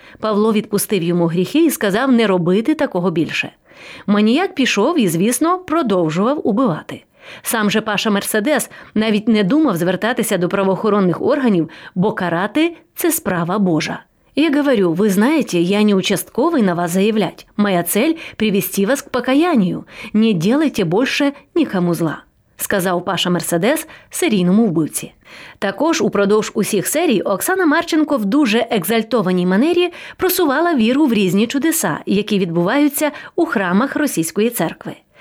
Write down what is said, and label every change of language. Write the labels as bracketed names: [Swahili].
[Ukrainian] Павло відпустив йому гріхи і сказав не робити такого більше. Маніяк пішов і, звісно, продовжував убивати. Сам же Паша Мерседес навіть не думав звертатися до правоохоронних органів, бо карати – це справа Божа. «Я говорю, ви знаєте, я не участковий на вас заявлять. [Russian] Моя цель – привести вас к покаянию. Не делайте больше [Ukrainian] нікому зла», – сказав Паша Мерседес серійному вбивці. Також упродовж усіх серій Оксана Марченко в дуже екзальтованій манері просувала віру в різні чудеса, які відбуваються у храмах російської церкви.